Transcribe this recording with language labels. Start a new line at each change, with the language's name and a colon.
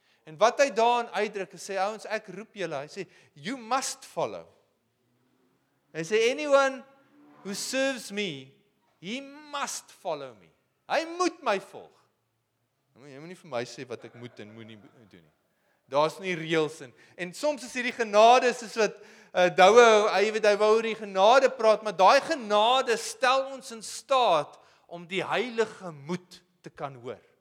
Afrikaans: En wat hy daarin uitdruk, hy sê, ouens, ek roep julle, hy sê,
English: you must follow.
Afrikaans: Hy sê,
English: anyone who serves me, he must follow me.
Afrikaans: Hy moet my volg. Jy moet nie vir my sê wat ek moet en moet nie doen nie. Daar is nie reëls in. En soms is hierdie genade, soos wat Douwe, hy wou oor die genade praat, maar daai genade stel ons in staat om die heilige moed te kan hoor.